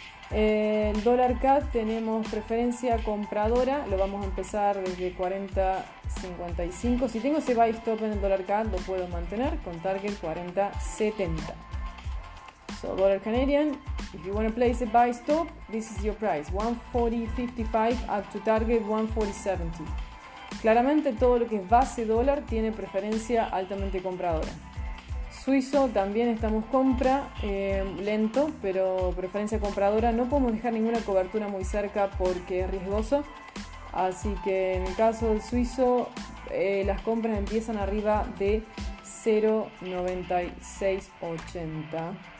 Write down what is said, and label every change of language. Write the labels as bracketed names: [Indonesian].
[Spanish] El dólar CAD tenemos preferencia compradora, lo vamos a empezar desde 40.55. Si tengo ese buy stop en el dólar CAD, lo puedo mantener con target 40.70. [English] So dólar Canadian, if you want to place a buy stop, this is your price, 140.55 up to target 140.70. [Spanish] Claramente todo lo que es base dólar tiene preferencia altamente compradora. Suizo también estamos compra, lento, pero preferencia compradora. No podemos dejar ninguna cobertura muy cerca porque es riesgoso. Así que en el caso del suizo, las compras empiezan arriba de 0.9680.